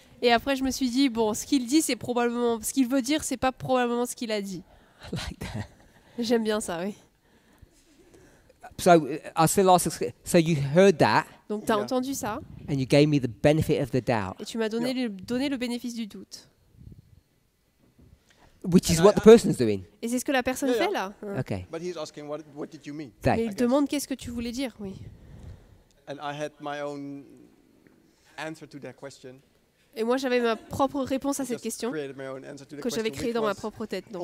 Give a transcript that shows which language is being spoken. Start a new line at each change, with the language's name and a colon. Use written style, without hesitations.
French: Et après, je me suis dit, bon, ce qu'il dit, c'est probablement, ce qu'il veut dire, c'est pas probablement ce qu'il a dit.
English: I like that.
French: J'aime bien ça, oui.
English: So, I still ask, so you heard that.
French: Donc, t'as entendu ça.
English: And you gave me the benefit of the doubt.
French: Et tu m'as donné, donné le bénéfice du doute.
English: Which is what the person is doing.
French: Et c'est ce que la personne fait là.
English: Okay. But he's asking, what did you mean?
French: Mais il demande qu'est-ce que tu voulais dire, oui.
English: And I had my own answer to that question.
French: Et moi, j'avais ma propre réponse à cette question que j'avais créée dans ma propre tête, donc,